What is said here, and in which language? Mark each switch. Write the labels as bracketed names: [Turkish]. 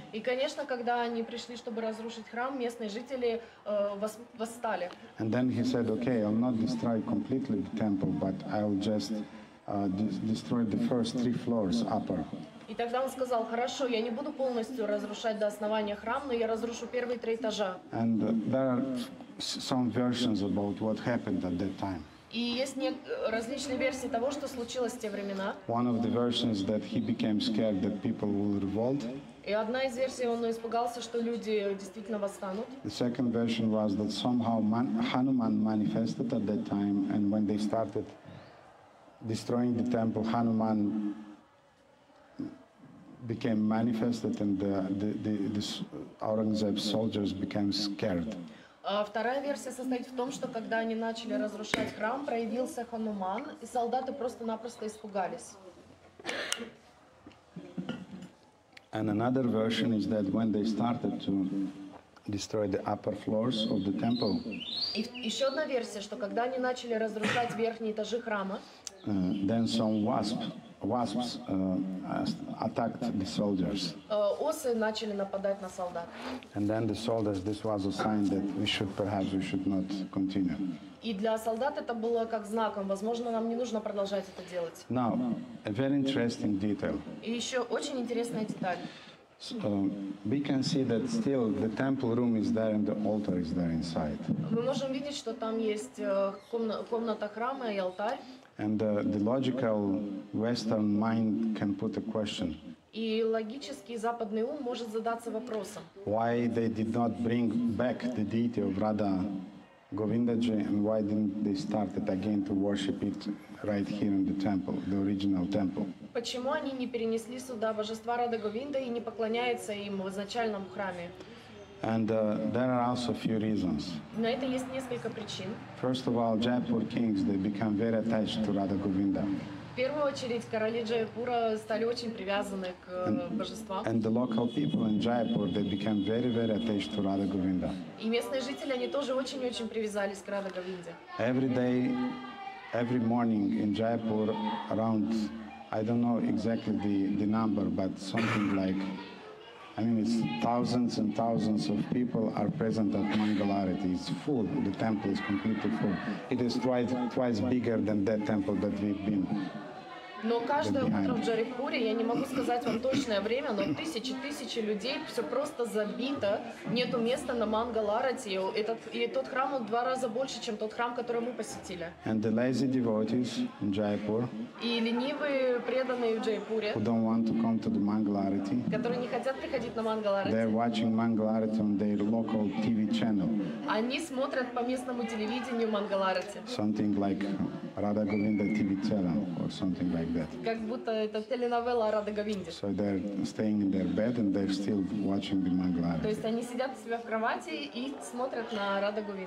[Russian] И конечно, когда они пришли, чтобы разрушить храм, местные жители восстали. [English] And then he said, "Okay, I'll not destroy completely the temple, but I'll just destroy the first three floors upper." [Russian] И тогда он сказал: "Хорошо, я не буду полностью разрушать до основания храма, но я разрушу первые три этажа." [English] And there are some versions about what happened at that time. [Russian] И есть различные версии того, что случилось в те времена. [English] One of the versions that he became scared that people will revolt. [Russian] И одна из версий, он испугался, что люди действительно восстанут. [English] The second version was that somehow Hanuman manifested at that time, and when they started destroying the temple, Hanuman became manifested, and the Aurangzeb soldiers became scared. [Russian] Вторая версия состоит в том, что когда они начали разрушать храм, проявился Хануман, и солдаты просто-напросто испугались. [English] And another version is that when they started to destroy the upper floors of the temple. [Russian] И еще одна версия, что когда они начали разрушать верхние этажи храма, [English] then some wasps attacked the soldiers. [Russian] Осы начали нападать на солдат. [English] And then the soldiers, this was a sign that we should not continue. [Russian] И для солдат это было как знаком, возможно, нам не нужно продолжать это делать. [English] Now, a very interesting detail. [Russian] И еще очень интересная деталь. [English] So, we can see that still the temple room is there and the altar is there inside. [Russian] Мы можем видеть, что там есть комната храма и алтарь. [English] And the logical Western mind can put a question. [Russian] И логический западный ум может задаться вопросом. [English] Why they did not bring back the deity of Radha Govindaji, and why didn't they start it again to worship it right here in the temple, the original temple? [Russian] Почему они не перенесли сюда божества Рада Говинда и не поклоняются им в изначальном храме? [English] And there are also a few reasons. [Russian] На это есть несколько причин. [English] First of all, Jaipur kings, they become very attached to Radha Govinda. [Russian] В первую очередь, короли Джайпура стали очень привязаны к божествам. [English] And the local people in Jaipur, they became very, very attached to Radha Govinda. [Russian] И местные жители, они тоже очень-очень привязались к Радха Говинде. [English] Every day, every morning in Jaipur, around, I don't know exactly the number, but something like, I mean, it's thousands and thousands of people are present at Mangalarati. It's full. The temple is completely full. It is twice bigger than that temple that we've been. [Russian] Но каждое утро в Джайпуре, я не могу сказать вам точное время, но тысячи людей, все просто забито, нету места на Мангаларати. И тот храм он два раза больше, чем тот храм, который мы посетили. [English] And the lazy devotees in Jaipur. [Russian] И ленивые преданные в Джайпуре. [English] Who don't want to come to the Mangalarati. [Russian] Которые не хотят приходить на Мангаларати. [English] They're watching Mangalarati on their local TV channel. [Russian] Они смотрят по местному телевидению Мангаларати. [English] Something like Radha Govinda TV channel or something like that. [Russian] Как будто это теленовелла Рада Говинде. [English] So they're staying in their bed and they're still watching the Mangalarati. [Russian] То есть они сидят у себя в кровати и смотрят на Рада Говинду.